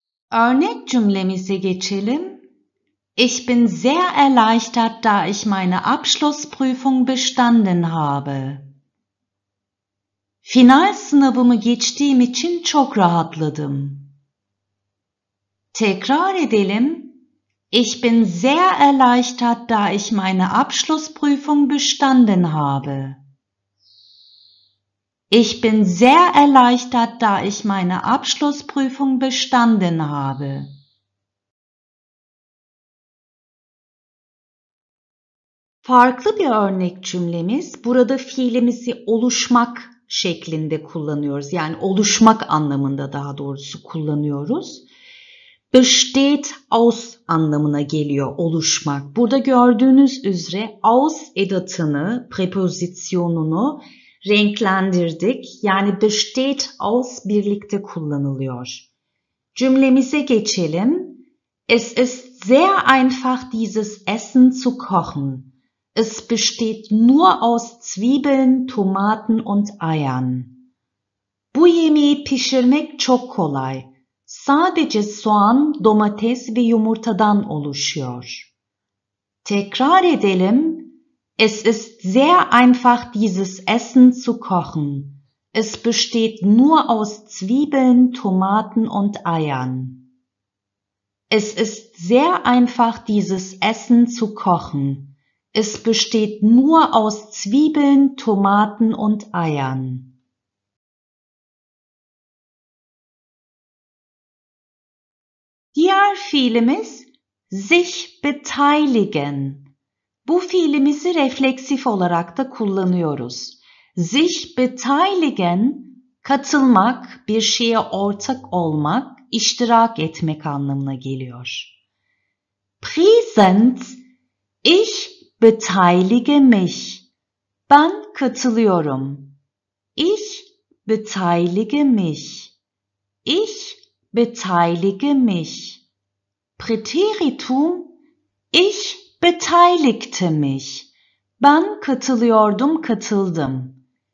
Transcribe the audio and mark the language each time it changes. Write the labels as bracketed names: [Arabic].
[Turkish] Örnek cümlemize geçelim. [German] Ich bin sehr erleichtert, da ich meine Abschlussprüfung bestanden habe. [Turkish] Final sınavımı geçtiğim için çok rahatladım. Tekrar edelim. [German] Ich bin sehr erleichtert, da ich meine Abschlussprüfung bestanden habe. Ich bin sehr erleichtert, da ich meine Abschlussprüfung bestanden habe. [Turkish] Farklı bir örnek cümlemiz. Burada fiilimizi oluşmak şeklinde kullanıyoruz. Yani oluşmak anlamında daha doğrusu kullanıyoruz. Besteht aus anlamına geliyor oluşmak. Burada gördüğünüz üzere aus edatını, prepozisyonunu renklendirdik. Yani [English] the state of [Turkish] birlikte kullanılıyor. Cümlemize geçelim. [German] Es ist sehr einfach, dieses Essen zu kochen. Es besteht nur aus Zwiebeln, Tomaten und Eiern. [Turkish] Bu yemeği pişirmek çok kolay. Sadece soğan, domates ve yumurtadan oluşuyor. Tekrar edelim. [German] Es ist sehr einfach, dieses Essen zu kochen. Es besteht nur aus Zwiebeln, Tomaten und Eiern. Es ist sehr einfach, dieses Essen zu kochen. Es besteht nur aus Zwiebeln, Tomaten und Eiern. [Turkish] Diğer fiilimiz sich beteiligen. Bu fiilimizi refleksif olarak da kullanıyoruz. Sich beteiligen, katılmak, bir şeye ortak olmak, iştirak etmek anlamına geliyor. [German] Präsent, ich beteilige mich. [Turkish] Ben katılıyorum. [German] Ich beteilige mich. Ich beteilige mich. Präteritum, ich beteiligte mich. [Turkish] Ben katılıyordum, katıldım.